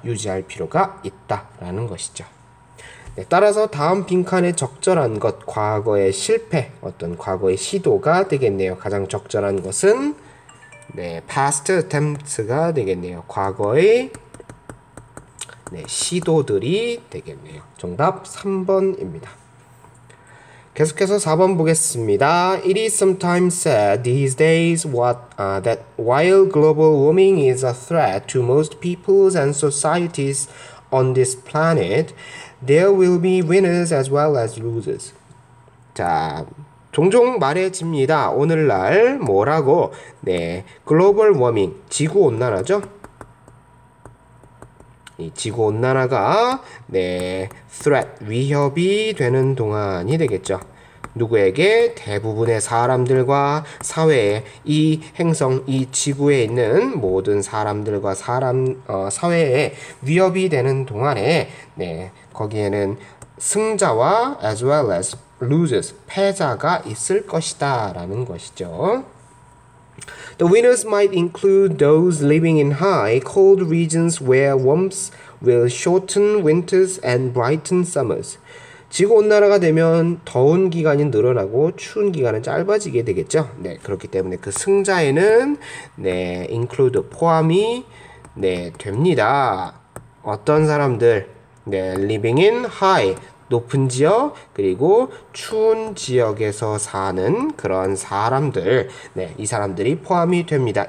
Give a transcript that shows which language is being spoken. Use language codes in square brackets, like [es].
[ko] 유지할 필요가 있다라는 것이죠. 따라서 다음 빈칸에 적절한 것, 과거의 실패, 어떤 과거의 시도가 되겠네요. 가장 적절한 것은 past attempts가 되겠네요. 과거의 시도들이 되겠네요. 정답 3번입니다. 계속해서 4번 보겠습니다. [en] It is sometimes said these days that while global warming is a threat to most peoples and societies on this planet, there will be winners as well as losers. [ko] 자, 종종 말해집니다. 오늘날 뭐라고? 글로벌 워밍, 지구 온난화죠? 이 지구 온난화가 threat, 위협이 되는 동안이 되겠죠. 누구에게? 대부분의 사람들과 사회에, 이 행성, 이 지구에 있는 모든 사람들과 사회에 위협이 되는 동안에, 거기에는 승자와 [en] as well as losers, [ko] 패자가 있을 것이다라는 것이죠. [en] The winners might include those living in high, cold regions where warmth will shorten winters and brighten summers. [ko] 지구 온난화가 되면 더운 기간이 늘어나고 추운 기간은 짧아지게 되겠죠. 그렇기 때문에 그 승자에는 include 포함이 됩니다. 어떤 사람들 [en] living in high [ko] 높은 지역 그리고 추운 지역에서 사는 그런 사람들 이 사람들이 포함이 됩니다.